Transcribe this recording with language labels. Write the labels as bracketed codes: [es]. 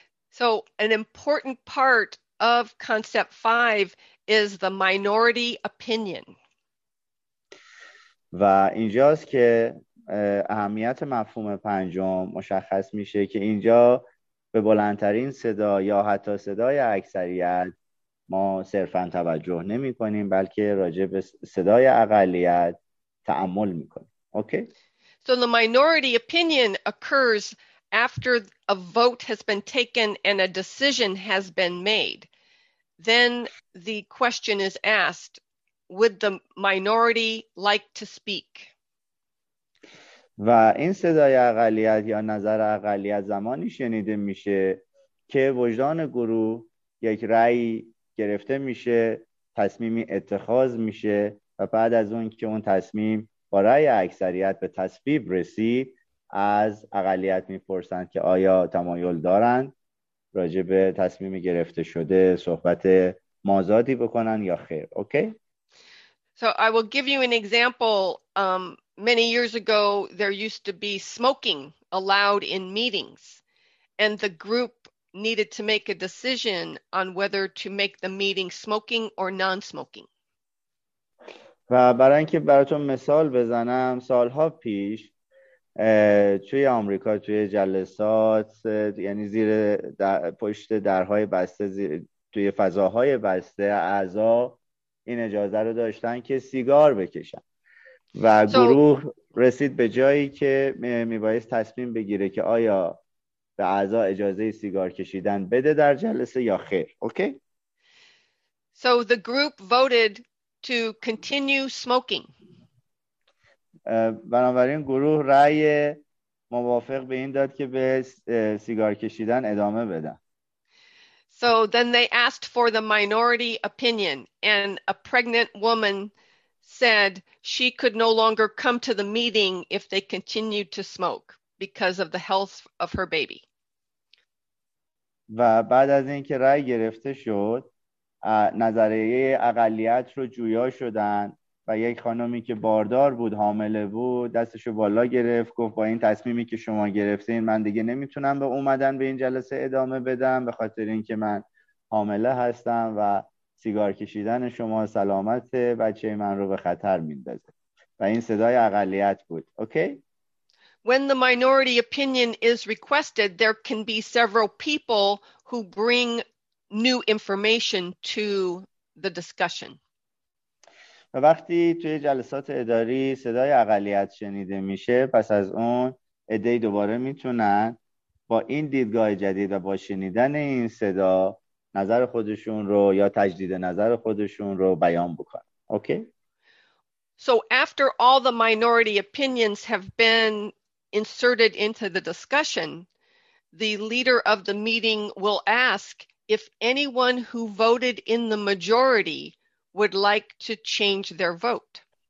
[en] So an important part of concept 5 is the minority opinion. [fa] و اینجاست که اهمیت مفهوم پنجم مشخص میشه که اینجا به بلندترین صدا یا حتی صدای اکثریت ما صرفاً توجه نمی کنیم، بلکه راجع به صدای اقلیت تأمل می کنیم. [en] Okay? So the minority opinion occurs after a vote has been taken and a decision has been made. Then the question is asked, would the minority like to speak? [fa] و این صدای اقلیت یا نظر اقلیت زمانی شنیده میشه که وجدان گروه یک رأی گرفته میشه، تصمیمی اتخاذ میشه و بعد از اون که اون تصمیم با رأی اکثریت به تصویب رسید، از اقلیت میپرسند که آیا تمایل دارند راجع به تصمیم گرفته شده صحبت مازادی بکنن یا خیر. [en] Okay? So I will give you an example. Many years ago, there used to be smoking allowed in meetings, and the group needed to make a decision on whether to make the meeting smoking or non-smoking. [fa] و برای اینکه براتون مثال بزنم، سالها پیش توی آمریکا توی جلسات، یعنی زیر پشت درهای بسته، توی فضاهای بسته، اعضا این اجازه رو داشتن که سیگار بکشن و گروه رسید به جایی که میبایست تصمیم بگیره که آیا به اعضا اجازه سیگار کشیدن بده در جلسه یا خیر. [en] Okay? So the group voted to continue smoking. [fa] بنابراین گروه رأی موافق به این داد که به سیگار کشیدن ادامه بدن. [en] So then they asked for the minority opinion, and a pregnant woman said she could no longer come to the meeting if they continued to smoke because of the health of her baby. [fa] و بعد از اینکه رأی گرفته شد، نظریه اقلیت رو جویا شدن و یک خانمی که باردار بود، حامله بود، دستشو بالا گرفت، گفت با این تصمیمی که شما گرفتین من دیگه نمیتونم به اومدن به این جلسه ادامه بدم به خاطر اینکه من حامله هستم و سیگار کشیدن شما سلامت بچه من رو به خطر میندازه. و این صدای اقلیت بود. اوکی؟ [en] When the minority opinion is requested, there can be several people who bring new information to the discussion. [fa] و وقتی توی جلسات اداری صدای اقلیت شنیده میشه، پس از اون عده دوباره میتونن با این دیدگاه جدید و با شنیدن این صدا نظر خودشون رو یا تجدید نظر خودشون رو بیان بکنن. [en] Okay? So after all the minority opinions have been inserted into the discussion, the leader of the meeting will ask if anyone who voted in the majority would like to change their vote.